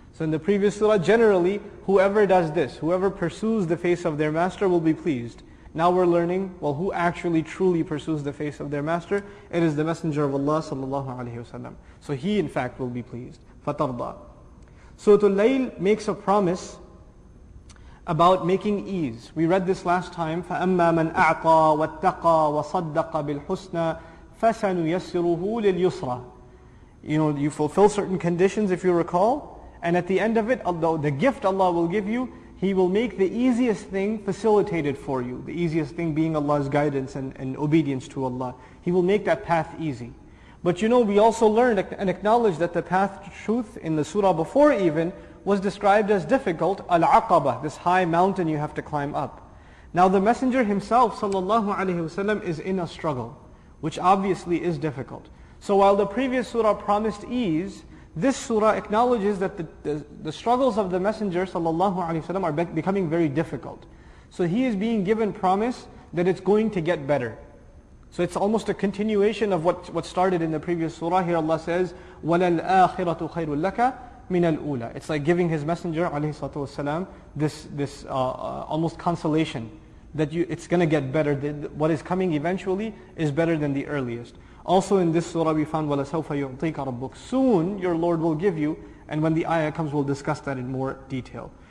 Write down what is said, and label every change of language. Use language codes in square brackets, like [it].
[en] So in the previous surah, generally, whoever does this, whoever pursues the face of their Master will be pleased. Now we're learning, well, who actually truly pursues the face of their Master? It is the Messenger of Allah sallallahu alayhi wasallam. So he in fact will be pleased. [ar] فَتَرْضَى. [en] Surah Al-Layl makes a promise about making ease. We read this last time, [ar] فَأَمَّا مَنْ أَعْطَى وَاتَّقَى وَصَدَّقَ بِالْحُسْنَى فَسَنُيَسِّرُهُ لِلْيُسْرَى. [en] You know, you fulfill certain conditions, if you recall, and at the end of it, although the gift Allah will give you, He will make the easiest thing facilitated for you. The easiest thing being Allah's guidance and obedience to Allah. He will make that path easy. But you know, we also learned and acknowledged that the path to truth in the surah before even was described as difficult, al-aqaba, this high mountain you have to climb up. Now the Messenger himself, sallallahu alayhi wasallam, is in a struggle, which obviously is difficult. So while the previous surah promised ease, this surah acknowledges that the struggles of the Messenger sallallahu alaihi wasallam are becoming very difficult. So he is being given promise that it's going to get better. So it's almost a continuation of what started in the previous surah. Here Allah says, [ar] وَلَلْآخِرَةُ خَيْرُ لَكَ مِنَ الْأُولَى. [en] It's like giving his Messenger alayhi salatu wasalam this almost consolation that it's going to get better. What is coming eventually is better than the earliest. Also in this surah we found, [ar] وَلَسَوْفَ يُعْطِيكَ رَبُّكَ. [en] Soon your Lord will give you, and when the ayah comes we'll discuss that in more detail.